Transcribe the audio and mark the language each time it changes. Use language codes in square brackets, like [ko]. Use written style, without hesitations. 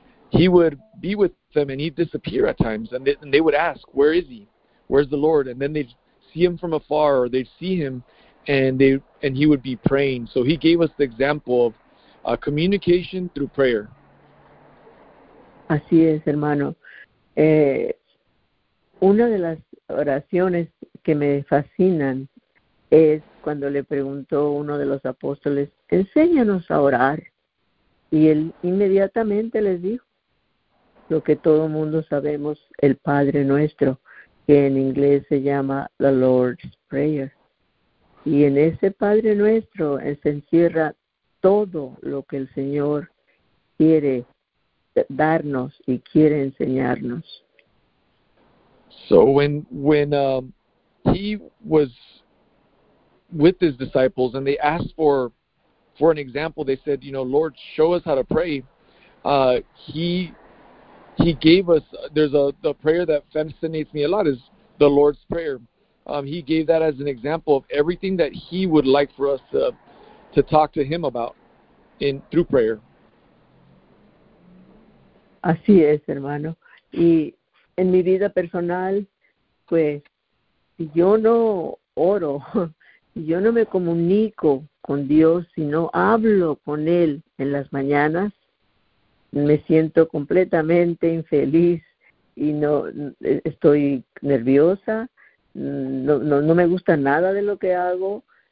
[en] He would be with them and he'd disappear at times, and they would ask, where is he? Where's the Lord? And then they'd see him from afar, or they'd see him and he would be praying. So he gave us the example of communication through prayer. [es] Así es, hermano. Una de las oraciones que me fascinan es cuando le preguntó uno de los apóstoles, enséñanos a orar. Y él inmediatamente les dijo lo que todo mundo sabemos, el Padre Nuestro, que en inglés se llama [en] the Lord's Prayer. [es] Y en ese Padre Nuestro se encierra todo lo que el Señor quiere darnos y quiere enseñarnos. [en] So when he was with his disciples and they asked for an example, they said, you know, Lord, show us how to pray. He gave us, there's the prayer that fascinates me a lot is the Lord's Prayer. He gave that as an example of everything that he would like for us to talk to him about in through prayer. [es] Así es, hermano. Y en mi vida personal, pues, si yo no oro, si yo no me comunico con Dios, si no hablo con Él en las mañanas, me siento completamente infeliz y no estoy nerviosa, no me gusta nada de lo que hago.